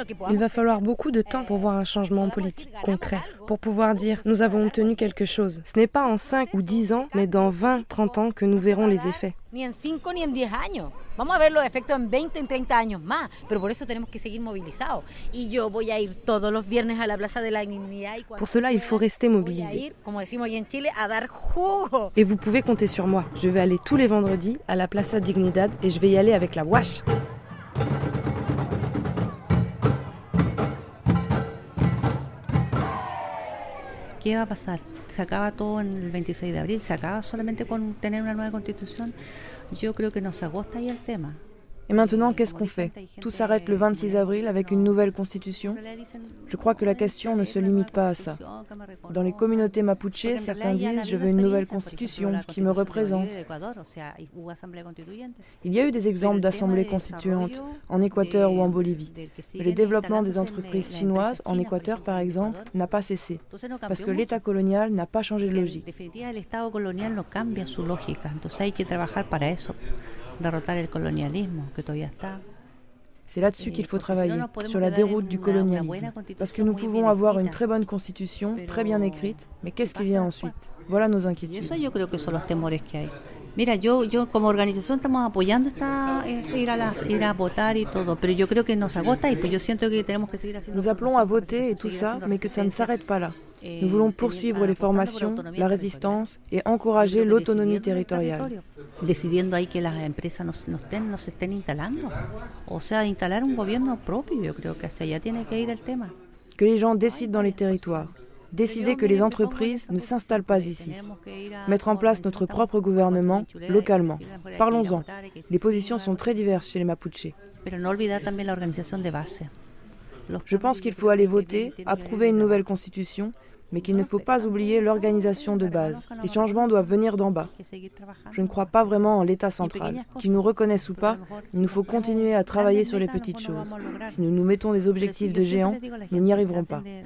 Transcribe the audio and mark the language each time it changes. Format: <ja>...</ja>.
<fr>Il va falloir beaucoup de temps pour voir un changement politique concret, pour pouvoir dire « nous avons obtenu quelque chose ». Ce n'est pas en 5 ou 10 ans, mais dans 20, 30 ans que nous verrons les effets.</fr> <es>Ni en 5 ni en 10 años. Vamos a ver los efectos en 20 en 30 años más, pero por eso tenemos que seguir movilizados. Y yo voy a ir todos los viernes a la Plaza de la Dignidad y</es> <fr>pour cela, il faut rester mobilisé.</fr> <es>Como decimos aquí en Chile, a dar jugo.</es> <fr>Et vous pouvez compter sur moi. Je vais aller tous les vendredis à la Plaza Dignidad et je vais y aller avec la WASH.</fr> <es>¿Qué va a pasar? Se acaba todo en el 26 de abril, se acaba solamente con tener una nueva constitución. Yo creo que nos agota ahí el tema.</es> <fr>Et maintenant, qu'est-ce qu'on fait? Tout s'arrête le 26 avril avec une nouvelle constitution? Je crois que la question ne se limite pas à ça. Dans les communautés mapuches, certains disent « je veux une nouvelle constitution qui me représente ». Il y a eu des exemples d'assemblées constituantes en Équateur ou en Bolivie. Mais le développement des entreprises chinoises en Équateur, par exemple, n'a pas cessé, parce que l'État colonial n'a pas changé de logique. Donc, il faut travailler pour ça.</fr> <es>Derrotar el colonialismo que todavía está.</es> <fr>C'est là-dessus qu'il faut travailler, sur la déroute du colonialisme. Parce que nous pouvons avoir une très bonne constitution, très bien écrite, mais qu'est-ce qui vient ensuite? Voilà nos inquiétudes.</fr> <es>Eso yo creo que son los temores que hay. Mira, yo como organización estamos apoyando esta ir a votar y todo, pero yo creo que nos agota y pues yo siento que tenemos que seguir haciendo.</es> <fr>Nous appelons à voter et tout ça, mais que ça ne s'arrête pas là. Nous voulons poursuivre les formations, la résistance et encourager l'autonomie territoriale.</fr> <es>Decidiendo ahí que las empresas no se estén instalando, o sea, instalar un gobierno propio, yo creo que hacia allá tiene que ir el tema.</es> <fr>Que les gens décident dans les territoires. Décider que les entreprises ne s'installent pas ici. Mettre en place notre propre gouvernement localement. Parlons-en. Les positions sont très diverses chez les Mapuches.</fr> <es>Pero no olvidar también la organización de base.</es> <fr>Je pense qu'il faut aller voter, approuver une nouvelle constitution, mais qu'il ne faut pas oublier l'organisation de base. Les changements doivent venir d'en bas. Je ne crois pas vraiment en l'État central. Qu'il nous reconnaisse ou pas, il nous faut continuer à travailler sur les petites choses. Si nous nous mettons des objectifs de géants, nous n'y arriverons pas.</fr>